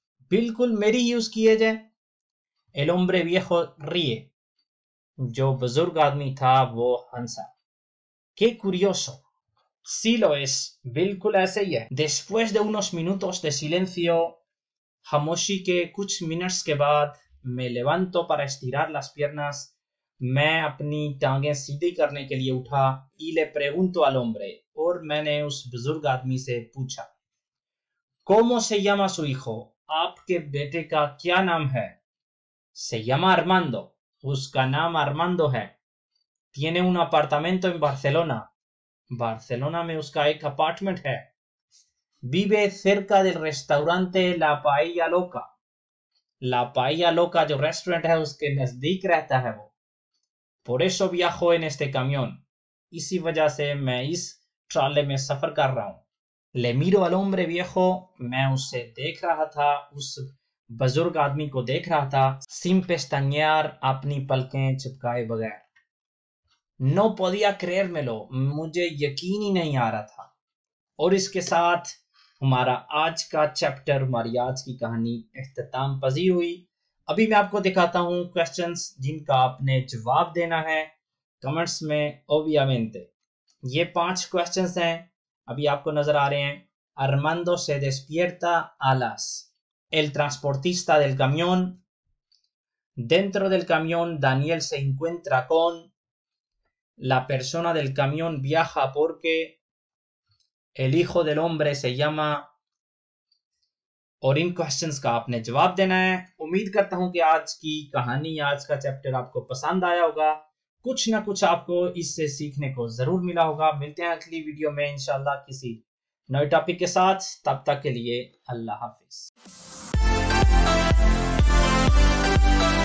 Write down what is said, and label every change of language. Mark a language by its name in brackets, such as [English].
[Hindi] बिल्कुल मेरी ही उसकी एज है। [Spanish] El hombre viejo ríe. [Hindi] जो बुजुर्ग आदमी था वो हंसा। [Spanish] Qué curioso. Sí lo es. [Hindi] बिल्कुल ऐसे ही है। [Spanish] Después de unos minutos de silencio, [Hindi] खामोशी के कुछ मिनट्स के बाद, [Spanish] me levanto para estirar las piernas. [Hindi] मैं अपनी टांगें सीधी करने के लिए उठा। [Spanish] Y le pregunto al hombre. [Hindi] और मैंने उस बुजुर्ग आदमी से पूछा, [Spanish] ¿Cómo se llama su hijo? [Hindi] आपके बेटे का क्या नाम है? [Spanish] Se llama Armando. [Hindi] उसका नाम Armando है. [Spanish] Tiene un apartamento en Barcelona. [Hindi] Barcelona में उसका एक अपार्टमेंट है. [Spanish] Vive cerca del restaurante La Paella Loca. [Hindi] La Paella Loca जो रेस्टोरेंट है उसके नजदीक रहता है वो. [Spanish] Por eso viajo en este camión. [Hindi] इसी वजह से मैं इस ट्राले में सफर कर रहा हूं। [Spanish] Le miro al hombre viejo, [Hindi] मैं उसे देख रहा था, उस बुजुर्ग आदमी को देख रहा था, [Spanish] sin pestañear, [Hindi] अपनी पलकें चिपकाए बगैर। [Spanish] No podía creérmelo, [Hindi] मुझे यकीन ही नहीं आ रहा था। और इसके साथ हमारा आज का चैप्टर, हमारी आज की कहानी इख्तिताम पजीर हुई। अभी मैं आपको दिखाता हूँ क्वेश्चंस जिनका आपने जवाब देना है कमेंट्स में। ओबियामेंटे, ये पांच क्वेश्चंस हैं, अभी आपको नजर आ रहे हैं। [Spanish] Armando से despierta alas, el transportista del camión, dentro del camión Daniel se encuentra con, la persona del camión viaja porque, el hijo del hombre se llama, [Hindi] और इन क्वेश्चंस का आपने जवाब देना है। उम्मीद करता हूं कि आज की कहानी, आज का चैप्टर आपको पसंद आया होगा, कुछ ना कुछ आपको इससे सीखने को जरूर मिला होगा। मिलते हैं अगली वीडियो में इंशाल्लाह किसी नए टॉपिक के साथ। तब तक के लिए अल्लाह हाफिज़।